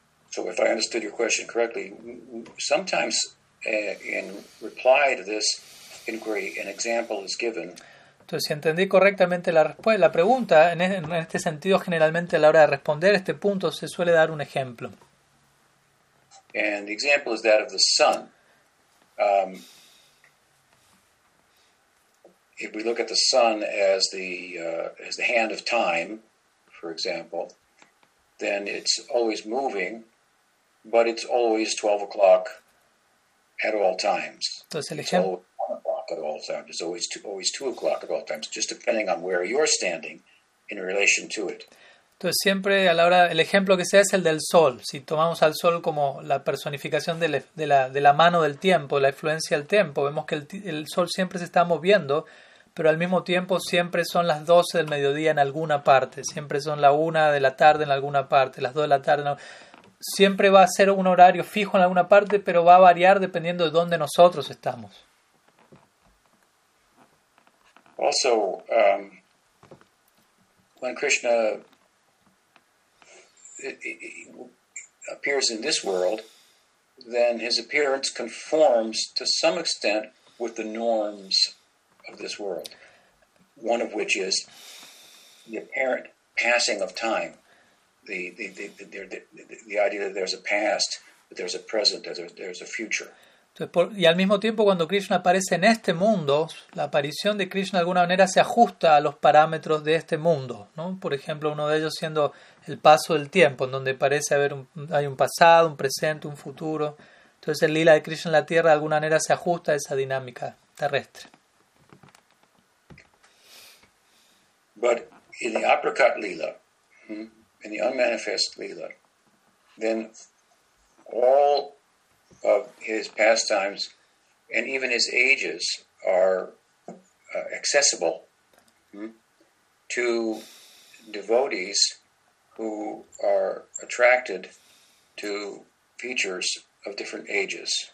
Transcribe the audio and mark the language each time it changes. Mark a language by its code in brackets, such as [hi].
[en] So if I understood your question correctly, sometimes in reply to this inquiry, an example is given. [es] Entonces, si entendí correctamente la respuesta, la pregunta, en este sentido, generalmente a la hora de responder este punto, se suele dar un ejemplo. [en] And the example is that of the sun. If we look at the sun as the hand of time, for example, then it's always moving, but it's always 12 o'clock at all times. [es] Entonces, [en] it's always 1 o'clock at all times. It's always 2 o'clock at all times, just depending on where you're standing in relation to it. [es] Entonces, siempre a la hora, el ejemplo que sea es el del sol. Si tomamos al sol como la personificación de la mano del tiempo, la influencia del tiempo, vemos que el sol siempre se está moviendo, pero al mismo tiempo siempre son las 12 del mediodía en alguna parte, siempre son la 1 de la tarde en alguna parte, las 2 de la tarde. No. Siempre va a ser un horario fijo en alguna parte, pero va a variar dependiendo de dónde nosotros estamos. [en] Also, when Krishna appears in this world, then his appearance conforms to some extent with the norms of this world, one of which is the apparent passing of time, the idea that there's a past, that there's a present, that there's a future. [es] Entonces, y al mismo tiempo, cuando Krishna aparece en este mundo, la aparición de Krishna de alguna manera se ajusta a los parámetros de este mundo, ¿no? Por ejemplo, uno de ellos siendo el paso del tiempo, en donde parece haber hay un pasado, un presente, un futuro. Entonces, el lila de Krishna en la tierra de alguna manera se ajusta a esa dinámica terrestre. [en] But in the apricot lila, in the unmanifest lila, then all of his pastimes and even his ages are accessible to devotees who are attracted to features of different ages.